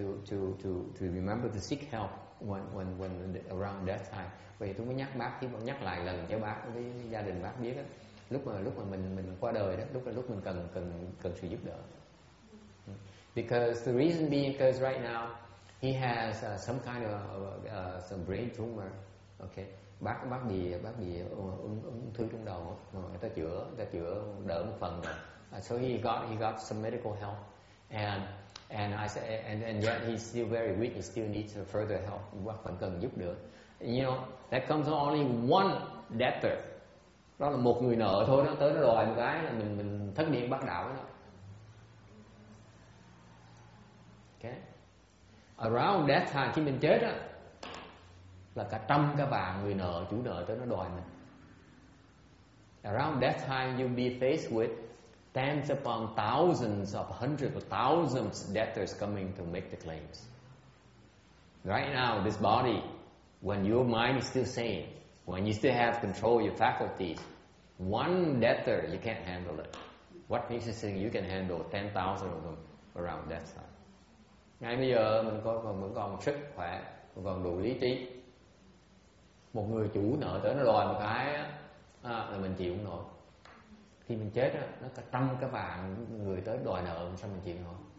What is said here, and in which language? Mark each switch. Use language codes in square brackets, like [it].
[en] And therefore I told him that I asked him to remember to seek help when around death time. [vi] Vậy tôi mới nhắc bác, nhắc lại lần cho bác với gia đình bác biết đó. Lúc mà mình qua đời đó, lúc mình cần sự giúp đỡ. [en] Because the reason being, because right now he has some kind of brain tumor. [vi] Okay, bác bị ung thư trong đầu, người ta chữa đỡ một phần rồi. [en] So he got some medical help, and yet he's still very weak. He still needs further help. [vi] Bác vẫn cần giúp được. [en] You know, that comes to only one debtor. [vi] Đó là một người nợ thôi, nó tới nó đòi một cái là mình thất niệm bắt đạo đó. Okay. [en] Around death time, [vi] khi mình chết á, là cả trăm cả vạn người nợ, chủ nợ tới nó đòi mình. [en] Around death time, you'll be faced with tens upon thousands of hundreds of thousands of debtors coming to make the claims. Right now, this body, when your mind is still sane, when you still have control of your faculties, one debtor, you can't handle it. What makes you think you can handle 10,000 of them around that time? [vi] Ngay bây giờ mình vẫn còn sức khỏe, vẫn còn đủ lý trí. Một người chủ nợ tới nó đòi một cái á, là mình chịu không nổi. Khi mình chết á, nó cả trăm cái vạn người tới đòi nợ, sao mình chịu nổi?